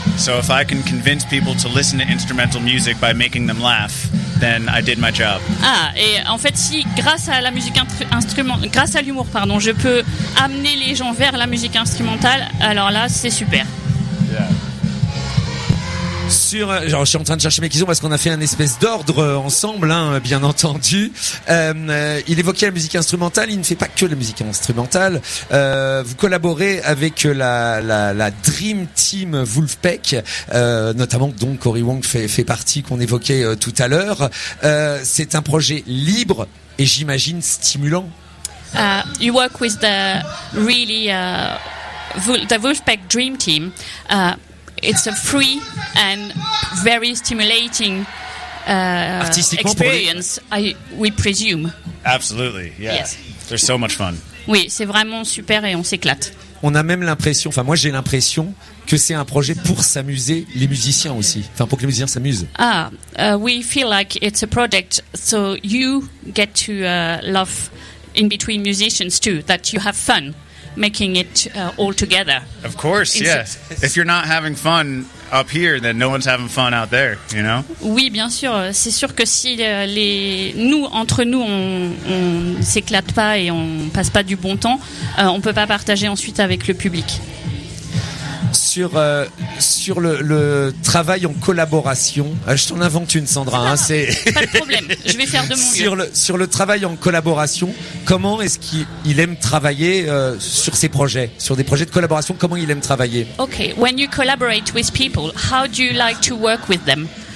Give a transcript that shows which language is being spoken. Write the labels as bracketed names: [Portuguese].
[English] So if I can convince people to listen to instrumental music by making them laugh, then I did my job. [French] Ah, et en fait, si grâce à la musique grâce à l'humour, pardon, je peux amener les gens vers la musique instrumentale, alors là, c'est super. [English] Yeah. [French] Genre, je suis en train de chercher mes questions parce qu'on a fait un espèce d'ordre ensemble, hein, bien entendu. Il évoquait la musique instrumentale, il ne fait pas que la musique instrumentale. Vous collaborez avec la Dream Team Wolfpack, notamment dont Corey Wong fait partie, qu'on évoquait tout à l'heure. C'est un projet libre et j'imagine stimulant. [English] You work with the really the Wolfpack Dream Team. It's a free and very stimulating experience, we presume. Absolutely, yeah. Yes. There's so much fun. [French] Oui, c'est vraiment super et on s'éclate. On a même l'impression, enfin moi j'ai l'impression que c'est un projet pour s'amuser les musiciens aussi, enfin pour que les musiciens s'amusent. [English] Ah, we feel like it's a project, so you get to love in between musicians too, that you have fun. Making it all together. Of course, yeah. If you're not having fun up here, then no one's having fun out there, you know? [French] Oui, bien sûr. C'est sûr que si nous, entre nous, on s'éclate pas et on passe pas du bon temps, on peut pas partager ensuite avec le public. Sur le travail en collaboration, je t'en invente une, Sandra. Non, hein, c'est pas de problème. Je vais faire de mon mieux. Sur le travail en collaboration, comment est-ce qu'il aime travailler sur ses projets, sur des projets de collaboration? Comment il aime travailler? [English] Okay, when you collaborate with people, how do you like to work with them?